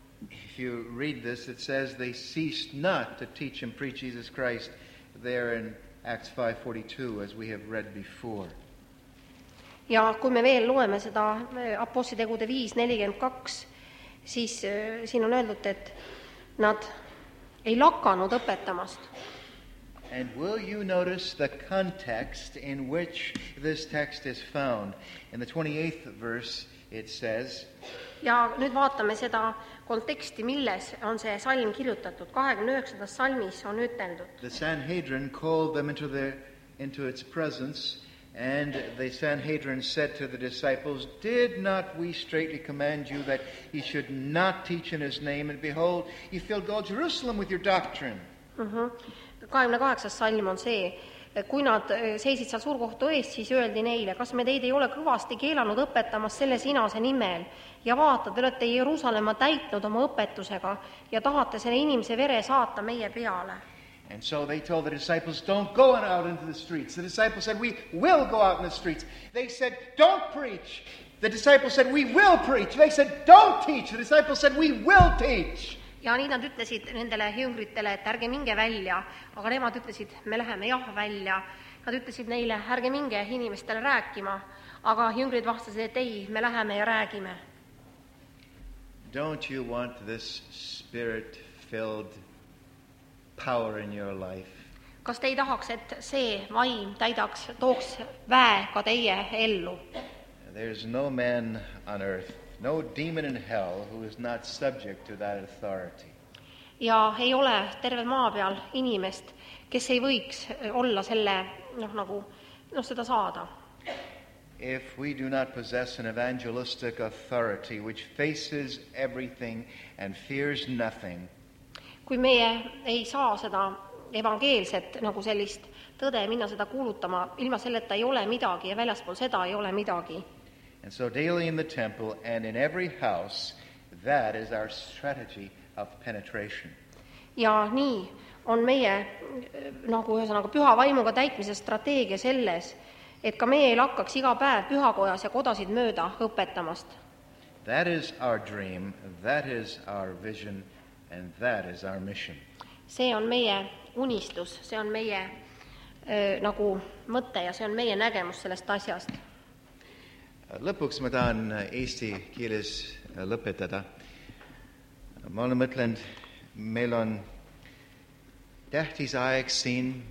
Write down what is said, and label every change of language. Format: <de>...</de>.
<en>If you read this, it says they ceased not to teach and preach Jesus Christ there in Acts 5:42, as we have read before.</en> <et>Ja kui me veel loeme seda apostlitegude 5:42, siis siin on öeldud, et nad ei lakanud õpetamast.</et> <en>And will you notice the context in which this text is found? In the 28th verse it says...</en> <et>Ja nüüd vaatame seda konteksti, milles on see salm kirjutatud. 29. salmis on ütelnud.</et> <en>The Sanhedrin called them into its presence, and the Sanhedrin said to the disciples, did not we straightly command you that he should not teach in his name? And behold, you filled all Jerusalem with your doctrine.</en> <et>28. salm on see. Kui nad seisid seal suurkohtu ees, siis öeldi neile, kas me teid ei ole kõvasti keelanud õpetamas selle sinase nimel ja vaata, te olete Jerusalema täitnud oma õpetusega ja tahate selle inimese vere saata meie peale.</et> <en>And so they told the disciples, don't go out into the streets. The disciples said, we will go out in the streets. They said, don't preach. The disciples said, we will preach. They said, don't teach. The disciples said, we will teach.</en> <et>Ja nii nad ütlesid nendele jüngritele, et ärge minge välja, aga nemad ütlesid, me läheme jah välja. Nad ütlesid neile, ärge minge inimestele rääkima, aga jüngrid vastasid, et ei, me läheme ja räägime.</et> <en>Don't you want this spirit-filled power in your life?</en> <et>Kas te ei tahaks, et see vaim täidaks, tooks väe ka teie ellu?</et> <en>There's no man on earth. No demon in hell who is not subject to that authority.</en> <et>Ja ei ole terve maa peal inimest, kes ei võiks olla selle, seda saada.</et> <en>If we do not possess an evangelistic authority which faces everything and fears nothing.</en> <et>Kui meie ei saa seda evangeelset nagu sellist tõde minna seda kuulutama, ilma selleta ei ole midagi ja väljaspool seda ei ole midagi.</et> <en>And so daily in the temple and in every house, that is our strategy of penetration.</en> <et>Ja nii on meie nagu ühesõnaga püha vaimuga täitmise strateegia selles, et ka meie ei lakkaks iga päev pühakojas ja kodasid mööda õpetamast.</et> <en>That is our dream, that is our vision, and that is our mission.</en> <et>See on meie unistus, see on meie nagu mõte ja see on meie nägemus sellest asjast. Lõpuks ma tahan eesti keeles lõpetada. Ma olen mõtlenud, meil on tähtis aeg siin.</et>